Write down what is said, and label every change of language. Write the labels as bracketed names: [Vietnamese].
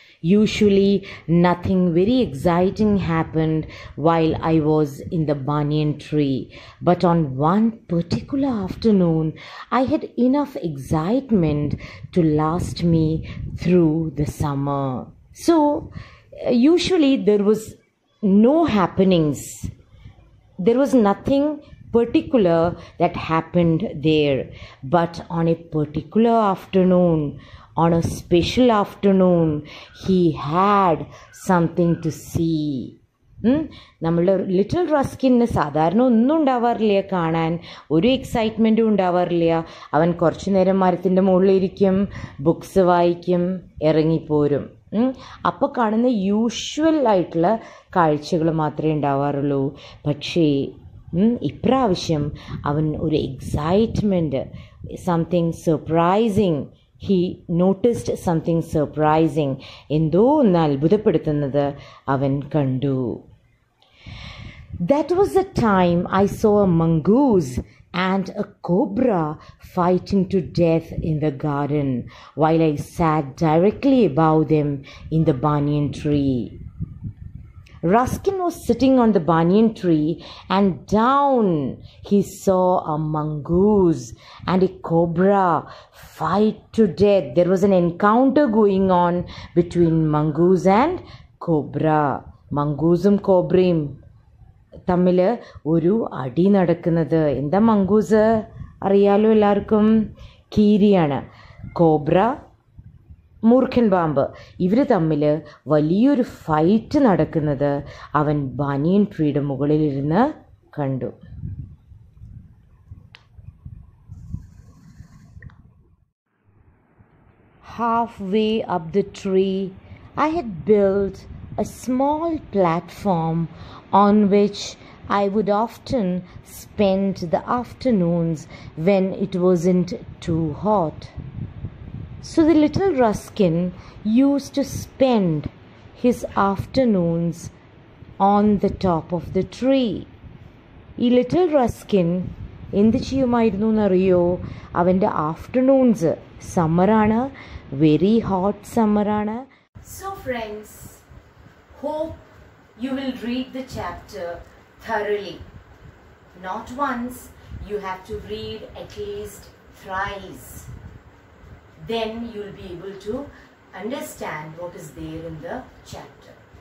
[English] Usually nothing very exciting happened while I was in the banyan tree, but on one particular afternoon I had enough excitement to last me through the summer. So usually there was no happenings, there was nothing particular that happened there, but on a particular afternoon, on a special afternoon, he had something to see. [Malayalam] നമ്മളുടെ little റസ്കിന് സാധാരണ ഒന്നും ഉണ്ടാവാറില്ല കാണാൻ, ഒരു എക്സൈറ്റ്മെൻറ്റും ഉണ്ടാവാറില്ല. അവൻ കുറച്ച് നേരം മരത്തിൻ്റെ മുകളിലിരിക്കും, ബുക്സ് വായിക്കും, ഇറങ്ങിപ്പോരും. അപ്പോൾ കാണുന്ന യൂഷ്വൽ ആയിട്ടുള്ള കാഴ്ചകൾ മാത്രമേ ഉണ്ടാവാറുള്ളൂ. പക്ഷേ ഇപ്രാവശ്യം അവൻ ഒരു excitement, [English] something surprising, he noticed something surprising, [Malayalam] എന്തോ ഒന്ന് അത്ഭുതപ്പെടുത്തുന്നത് അവൻ കണ്ടു. [English] That was a time I saw a mongoose and a cobra fighting to death in the garden while I sat directly above them in the banyan tree. Ruskin was sitting on the banyan tree, and down he saw a mongoose and a cobra fight to death. There was an encounter going on between mongoose and cobra. [Malayalam] Mongoosum cobrim. Tamil, oru adi nadakkunnathu. Enda mongoose ariyalo ellarkkum keeriyana. Cobra. മൂർഖൻ പാമ്പ്. ഇവർ തമ്മിൽ വലിയൊരു fight നടക്കുന്നത് അവൻ banyan ട്രീയുടെ മുകളിലിരുന്ന് കണ്ടു. [English] Half way up the tree I had build a small platform on which I would often spend the afternoons when it was in too hot. So the little Ruskin used to spend his afternoons on the top of the tree. [Malayalam] ഈ [English] little Ruskin [Malayalam] എന്ത് ചെയ്യുമായിരുന്നു എന്നറിയോ? അവൻ്റെ afternoons, സമ്മറാണ്, [English] very hot [Malayalam] സമ്മറാണ്. [English] So friends, hope you will read the chapter thoroughly. Not once, you have to read at least thrice. Then you'll be able to understand what is there in the chapter.